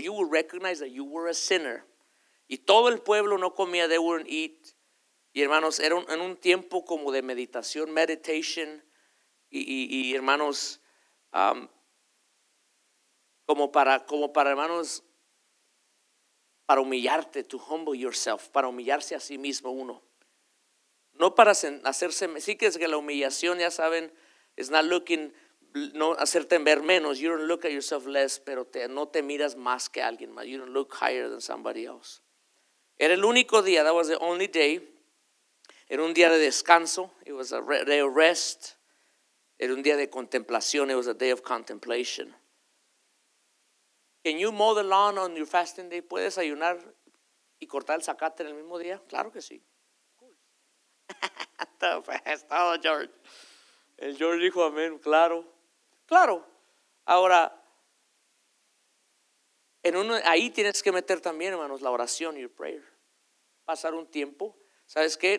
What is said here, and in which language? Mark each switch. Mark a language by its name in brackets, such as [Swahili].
[English] You would recognize that you were a sinner. [Spanish] Y todo el pueblo no comía, [English] they wouldn't eat. [Spanish] Y hermanos, era en un tiempo como de meditación, meditation. Y hermanos, como para hermanos, para humillarte, [English] to humble yourself, [Spanish] para humillarse a sí mismo uno. No para hacerse, sí que es que la humillación, ya saben, [English] is not looking, [Spanish] no hacerte ver menos, [English] you don't look at yourself less, [Spanish] pero no te miras más que alguien más, [English] you don't look higher than somebody else. [Spanish] Era el único día, [English] that was the only day, [Spanish] era un día de descanso, [English] it was a day of rest, [Spanish] era un día de contemplación, [English] it was a day of contemplation. Can you mow the lawn on your fasting day? [Spanish] ¿Puedes ayunar y cortar el zacate en el mismo día? Claro que sí. [English] Of course. [Spanish] Todo George. El George dijo amén, claro. Claro. Ahora, ahí tienes que meter también, hermanos, la oración, [English] your prayer. [Spanish] Pasar un tiempo. ¿Sabes qué?